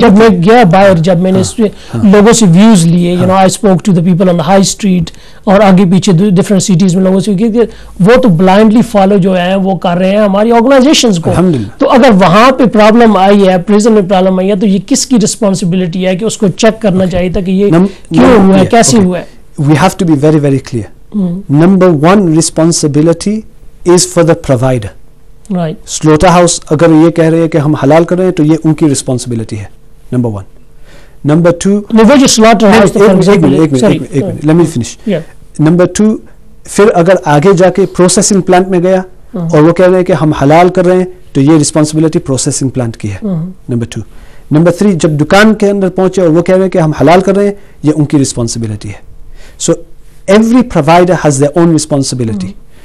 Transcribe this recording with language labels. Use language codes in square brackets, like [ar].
[hi] जब मैं गया बाहर, जब मैंने इसपे लोगों से व्यूज लिए, [en] you know, I spoke to the people on the high street [hi] और आगे पीछे डिफरेंट सिटीज में लोगों से, क्योंकि वो तो ब्लाइंडली फॉलो जो है वो कर रहे हैं हमारी ऑर्गेनाइजेशन को. तो अगर वहां पर प्रॉब्लम आई है, प्रिजन में प्रॉब्लम आई है, तो ये किसकी रिस्पॉन्सिबिलिटी है कि उसको चेक करना चाहिए था कि ये क्यों हुआ है, कैसे हुआ है? [en] We have to be very very clear. Number one responsibility is for the provider. Right. [hi] Slaughterhouse, अगर ये कह रहे हैं कि हम हलाल कर रहे हैं, तो ये उनकी responsibility है. [en] Number one. Number two. [hi] वो जो slaughterhouse. [en] Let me finish. Yeah. [hi] Number two, फिर अगर आगे जाके processing plant में गया और वो कह रहे हैं कि हम हलाल कर रहे हैं, तो ये responsibility processing plant की है. [en] Number two. [hi] Number three, जब दुकान के अंदर पहुंचे और वो कह रहे हैं कि हम हलाल कर रहे हैं, ये उनकी responsibility है. [en] So every provider has their own responsibility.